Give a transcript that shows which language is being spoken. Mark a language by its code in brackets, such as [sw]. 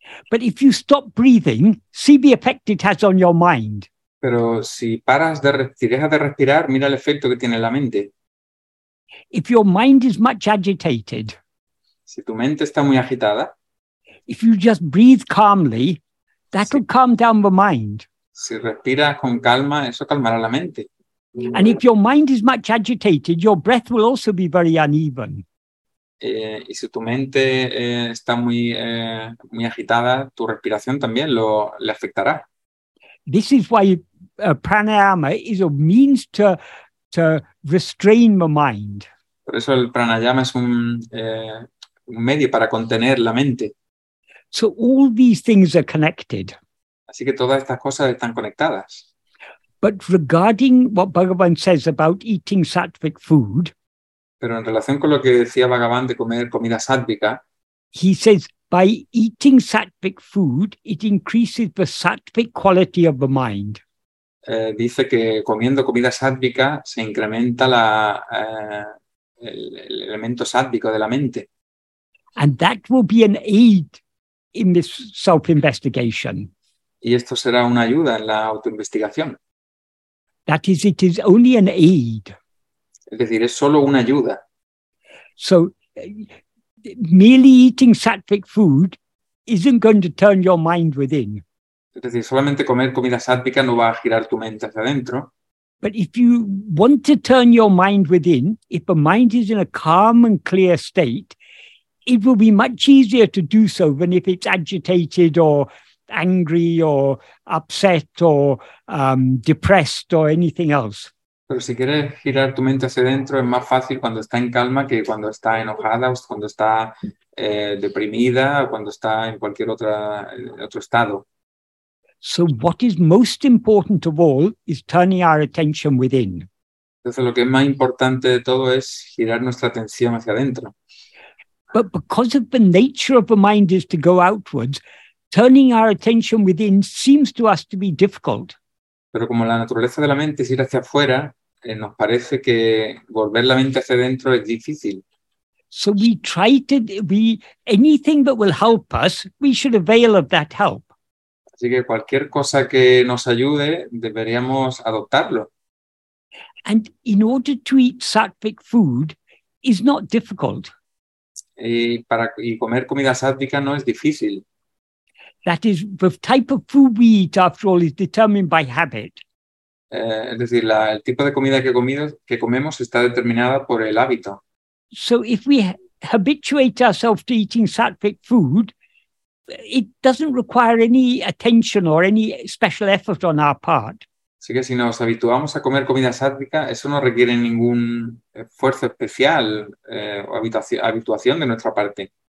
[en] But if you stop breathing, see the effect it has on your mind. [es] Pero si paras de respirar, mira el efecto que tiene en la mente. [en] If your mind is much agitated, [es] si tu mente está muy agitada, [en] if you just breathe calmly, that'll calm down the mind. [es] Si respiras con calma, eso calmará la mente. [en] And if your mind is much agitated, your breath will also be very uneven. [es] Y si tu mente está muy muy agitada, tu respiración también le afectará. [en] This is why pranayama is a means to restrain the mind. [es] Por eso el pranayama es un medio para contener la mente. [en] So all these things are connected. [es] Así que todas estas cosas están conectadas. [en] But regarding what Bhagavan says about eating sattvic food. [es] Pero en relación con lo que decía Bhagavan de comer comida sattvica, [en] he says by eating sattvic food it increases the sattvic quality of the mind. [es] Dice que comiendo comida sattvica se incrementa el elemento sattvico de la mente. [en] And that will be an aid in this self-investigation. [es] Y esto será una ayuda en la autoinvestigación. [en] That is, it is only an aid. [es] Es decir, es solo una ayuda. [en] So, merely eating sattvic food isn't going to turn your mind within. [es] Es decir, solamente comer comida sattvica no va a girar tu mente hacia adentro. [en] But if you want to turn your mind within, if the mind is in a calm and clear state, it will be much easier to do so than if it's agitated or angry or upset or depressed or anything else. [es] Pero si quieres girar tu mente hacia dentro, es más fácil cuando está en calma que cuando está enojada o cuando está deprimida o cuando está en cualquier otro estado. [en] So what is most important of all is turning our attention within. [es] Entonces lo que es más importante de todo es girar nuestra atención hacia adentro. [en] But because of the nature of the mind is to go outwards, turning our attention within seems to us to be difficult. [es] Pero como la naturaleza de la mente es ir hacia afuera, nos parece que volver la mente hacia adentro es difícil. [en] So we try to be anything that will help us, we should avail of that help. [es] Así que cualquier cosa que nos ayude, deberíamos adoptarlo. [en] And in order to eat sattvic food is not difficult. [es] Y comer comida sattvica no es difícil. [en] That is, the type of food we eat, after all, is determined by habit. [es] Es decir, el tipo de comida que comemos está determinada por el hábito. [en] So if we habituate ourselves to eating sattvic food, it doesn't require any attention or any special effort on our part. [es] Así que si nos habituamos a comer comida sádica, eso no requiere ningún esfuerzo especial o habituación de nuestra parte.